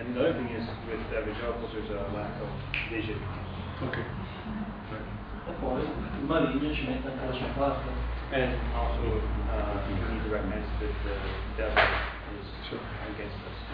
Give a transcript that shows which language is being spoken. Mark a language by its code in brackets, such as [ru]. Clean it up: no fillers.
[en] And the other thing is with evangelicals there's a lack of vision. Okay. [it] E poi il maligno ci mette anche la sua parte. [en] And also you need to recognize that the devil is against us.